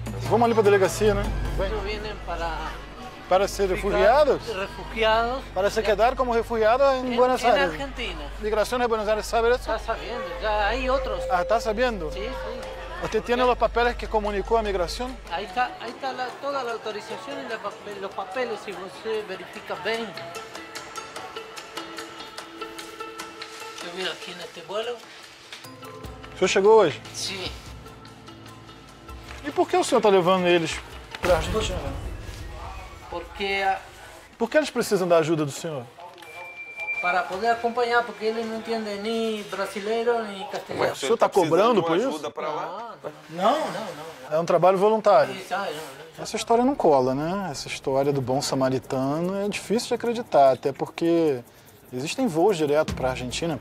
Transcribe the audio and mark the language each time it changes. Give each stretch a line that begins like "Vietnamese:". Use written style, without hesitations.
Portuguese: Vamos ali para a delegacia, né? Vem. Eles vêm para... Para ser refugiados? Refugiados. Para se quedar como refugiados em Buenos Aires? Em Argentina. Migração em Buenos Aires, sabe isso? Está sabendo. Já há outros. Ah, está sabendo? Sim, sim.
Spanish: ¿Usted tiene los papeles que comunicó a migración? Ahí está toda la autorización y los papeles, si usted verifica bien. Yo vine aquí en este vuelo. ¿Usted llegó hoy? Sí. ¿Y por qué el señor está llevando ellos para Argentina? Porque... ¿Por qué ellos precisan de ayuda del señor?
Portuguese: Para poder acompanhar, porque ele não entende nem brasileiro, nem castelhano. Mas o senhor está cobrando por isso? Ajuda para lá? Não. É um trabalho voluntário. Exato. Essa história não cola, né? Essa história do bom samaritano é difícil de acreditar, até porque existem voos direto para a Argentina.